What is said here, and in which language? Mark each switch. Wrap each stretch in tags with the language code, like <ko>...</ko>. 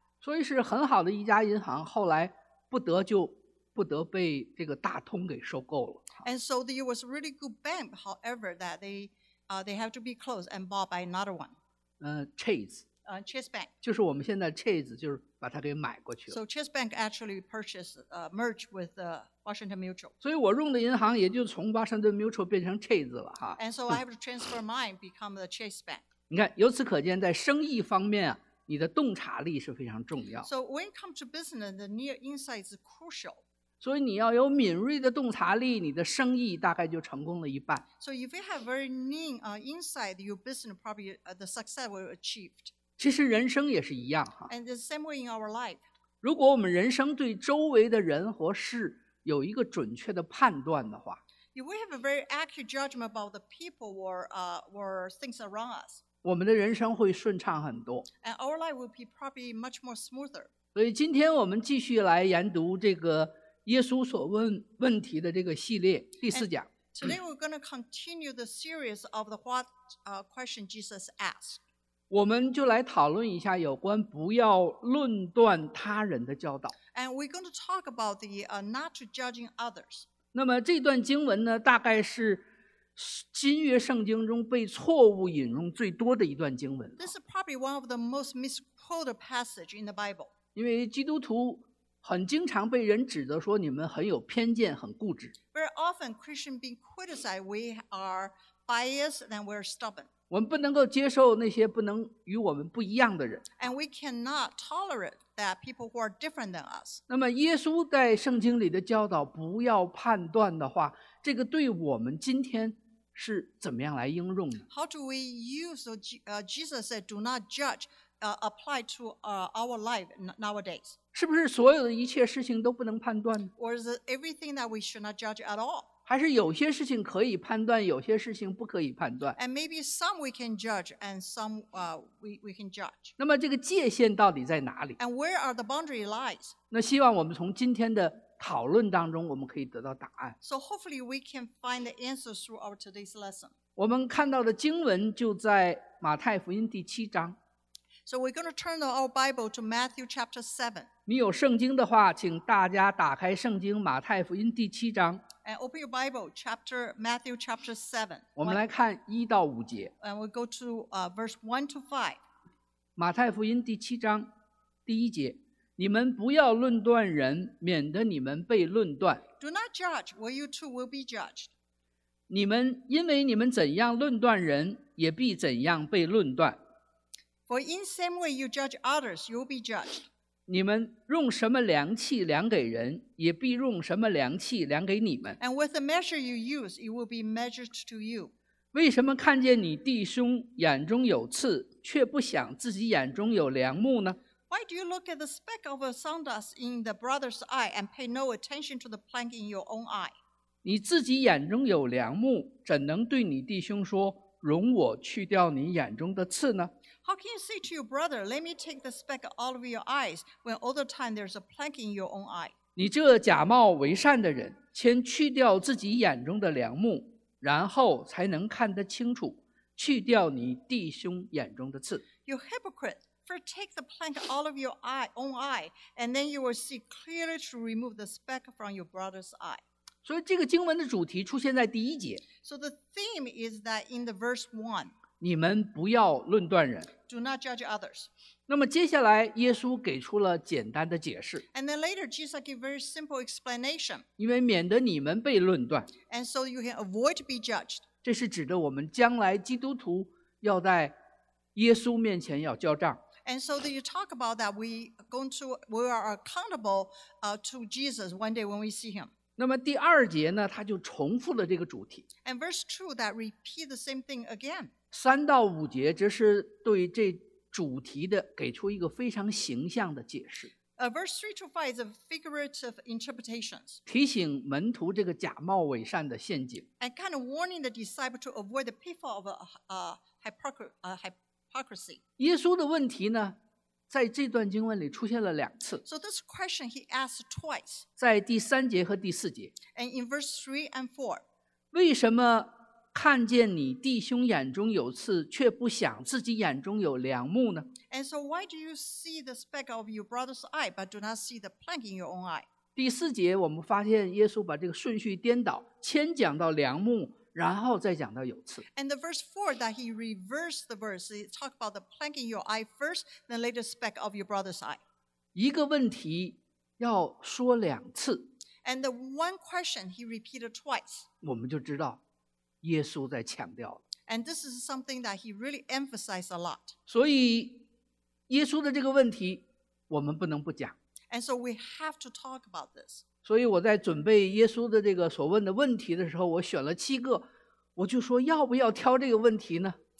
<zh>所以是很好的一家银行，后来不得被这个大通给收购了。</zh> <en>And so it was a really good bank, however, that they have to be closed and bought by another one. Chase. Chase Bank.</en> <zh>就是我们现在 Chase 就是把它给买过去了。</zh> <en>So Chase Bank actually merged with Washington Mutual.</en> <zh>所以我用的银行也就从 Washington Mutual 变成 Chase 了哈。</zh> <en>And so I have to transfer mine become the Chase Bank.</en> <zh>你看，由此可见，在生意方面，你的洞察力是非常重要。</zh> <en>So when it comes to business, the near insight is crucial.</en> <zh>所以你要有敏锐的洞察力，你的生意大概就成功了一半。</zh> <en>So if you have very keen insight, your business probably the success will achieved.</en> <zh>其实人生也是一样哈。</zh> <en>And the same way in our life.</en> <zh>如果我们人生对周围的人和事有一个准确的判断的话</zh> <en>，If we have a very accurate judgment about the people or things around us,</en> <zh>我们的人生会顺畅很多。</zh> <en>And our life will be probably much more smoother.</en> <zh>所以今天我们继续来研读这个耶稣所问题的这个系列第四讲。</zh> <en>And today we're going to continue the series of the what question Jesus asked.</en> <zh>我们就来讨论一下有关不要论断他人的教导。</zh> <en>And we're going to talk about the not judging others.</en> <zh>那么这段经文呢，大概是新约圣经中被错误引用最多的一段经文。</zh> <en>This is probably one of the most misquoted passages in the Bible.</en> <zh>因为基督徒很经常被人指责说你们很有偏见，很固执。</zh> <en>Very often Christians being criticized, we are biased and we're stubborn.</en> <zh>我们不能够接受那些不能与我们不一样的人。</zh> <en>And we cannot tolerate that people who are different than us.</en> <zh>那么耶稣在圣经里的教导，不要判断的话，这个对我们今天是怎么样来应用呢？</zh> <en>How do we use Jesus said, "Do not judge"? Apply to our life nowadays.</en> <zh>是不是所有的一切事情都不能判断？</zh> <en>Or is it everything that we should not judge at all?</en> <zh>还是有些事情可以判断，有些事情不可以判断？</zh> <en>And maybe some we can judge, and some we can judge.</en> <zh>那么这个界限到底在哪里？</zh> <en>And where are the boundary lies?</en> <zh>那希望我们从今天的讨论当中，我们可以得到答案。</zh> <en>So hopefully we can find the answers through our today's lesson.</en> <zh>我们看到的经文就在马太福音第七章。</zh> <en>So we're going to turn our Bible to Matthew chapter 7.</en> <zh>你有圣经的话，请大家打开圣经马太福音第七章。</zh> <en>And open your Bible, chapter Matthew chapter 7.</en> <zh>我们来看一到五节。</zh> <en>And we'll go to verse 1 to 5.</en> <zh>马太福音第七章第一节，你们不要论断人，免得你们被论断。</zh> <en>Do not judge, or you too will be judged.</en> <zh>你们因为你们怎样论断人，也必怎样被论断。</zh> <en>For in same way you judge others, you will be judged.</en> <zh>你们用什么量器量给人，也必用什么量器量给你们。</zh> <en>And with the measure you use, it will be measured to you.</en> <zh>为什么看见你弟兄眼中有刺，却不想自己眼中有梁木呢？</zh> <en>Why do you look at the speck of a sawdust in the brother's eye and pay no attention to the plank in your own eye?</en> <zh>你自己眼中有梁木，怎能对你弟兄说，容我去掉你眼中的刺呢？</zh> <en>How can you say to your brother, let me take the speck out of your eyes, when all the time there's a plank in your own eye?</en> <zh>你这假冒为善的人，先去掉自己眼中的梁木，然后才能看得清楚，去掉你弟兄眼中的刺。</zh> <en>You hypocrite, first take the plank out of your own eye, and then you will see clearly to remove the speck from your brother's eye.</en> <zh>所以这个经文的主题出现在第一节。</zh> <en>So the theme is that in the verse 1,</en> <zh>你们不要论断人。</zh> <en>Do not judge others.</en> <zh>那么接下来耶稣给出了简单的解释。</zh> <en>And then later Jesus gave very simple explanation.</en> <zh>因为免得你们被论断。</zh> <en>And so you can avoid be judged.</en> <zh>这是指的我们将来基督徒要在耶稣面前要交账。</zh> <en>And so you talk about that we are accountable to Jesus one day when we see him.</en> <zh>那么第二节呢，他就重复了这个主题。</zh> <en>And verse 2, that repeat the same thing again.</en> <zh>三到五节，这是对这主题的给出一个非常形象的解释。</zh> <en>Verse 3 to 5 is a figurative interpretation.</en> <zh>提醒门徒这个假冒伪善的陷阱。</zh> <en>And kind of warning the disciple to avoid the pitfall of hypocrisy.</en> <zh>耶稣的问题呢？在这段经文里出现了两次。</zh> <en>So this question he asked twice.</en> <zh>在第三节和第四节。</zh> <en>And in verse 3 and 4.</en> <zh>为什么看见你弟兄眼中有刺，却不想自己眼中有梁木呢？</zh> <en>And so why do you see the speck of your brother's eye, but do not see the plank in your own eye?</en> <zh>第四节我们发现耶稣把这个顺序颠倒，先讲到梁木，然后再讲到有刺。</zh> <en>And the verse 4 that he reversed the verse, he talked about the plank in your eye first, then later speck of your brother's eye.</en> <zh>一个问题要说两次。</zh> <en>And the one question he repeated twice.</en> <zh>我们就知道耶稣在强调了。</zh> <en>And this is something that he really emphasized a lot.</en> <zh>所以耶稣的这个问题我们不能不讲。</zh> <en>And so we have to talk about this.</en> <zh>所以我在准备耶稣的这个所问的问题的时候，我选了七个，我就说要不要挑这个问题呢？</zh>